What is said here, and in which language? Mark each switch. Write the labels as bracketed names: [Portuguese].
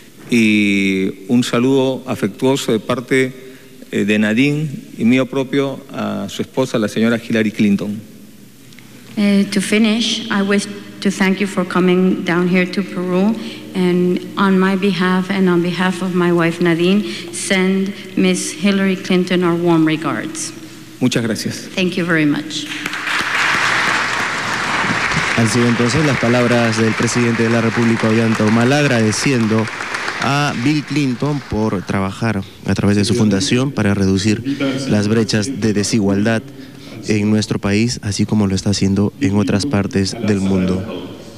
[Spanish] Y un saludo afectuoso de parte de Nadine y mío propio a su esposa, la señora Hillary Clinton. [English] To finish, I wish to thank you for coming down here to Peru, and on my behalf and on behalf of my wife Nadine, send Miss Hillary Clinton our warm regards. [Spanish] Muchas gracias. [English] Thank you very much. [Spanish] Han sido entonces las palabras del presidente de la República, Ollanta Humala, agradeciendo a Bill Clinton por trabajar a través de su fundación para reducir las brechas de desigualdad en nuestro país, así como lo está haciendo en otras partes del mundo.